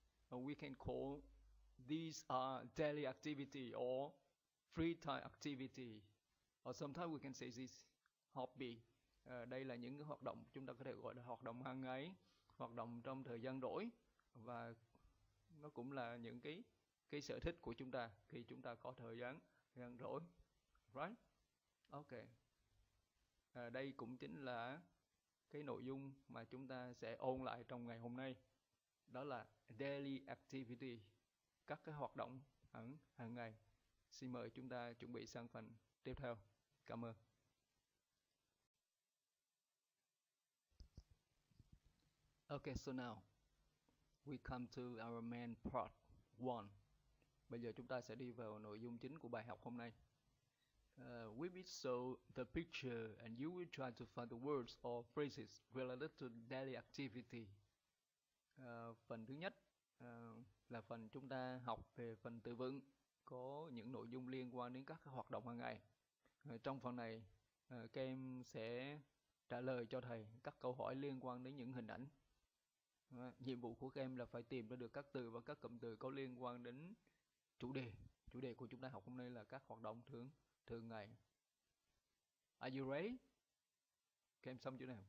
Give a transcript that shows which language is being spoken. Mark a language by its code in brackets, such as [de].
[en] And we can call these are daily activity or free time activity, or sometimes we can say this hobby. [vi] Đây là những cái hoạt động chúng ta có thể gọi là hoạt động hàng ngày, hoạt động trong thời gian rỗi, và nó cũng là những cái sở thích của chúng ta khi chúng ta có thời gian rỗi, [en] right? Okay. [vi] Đây cũng chính là cái nội dung mà chúng ta sẽ ôn lại trong ngày hôm nay. Đó là daily activity, các cái hoạt động hàng ngày. Xin mời chúng ta chuẩn bị sang phần tiếp theo. Cảm ơn. [en] Okay, so now we come to our main part 1. [vi] Bây giờ chúng ta sẽ đi vào nội dung chính của bài học hôm nay. [en] We will show the picture and you will try to find the words or phrases related to daily activity. [vi] Phần thứ nhất là phần chúng ta học về phần từ vựng có những nội dung liên quan đến các hoạt động hàng ngày. Trong phần này, các em sẽ trả lời cho thầy các câu hỏi liên quan đến những hình ảnh. Nhiệm vụ của các em là phải tìm ra được các từ và các cụm từ có liên quan đến chủ đề của chúng ta học hôm nay là các hoạt động thường ngày. [en] Are you ready? [vi] Các em xong chưa nào?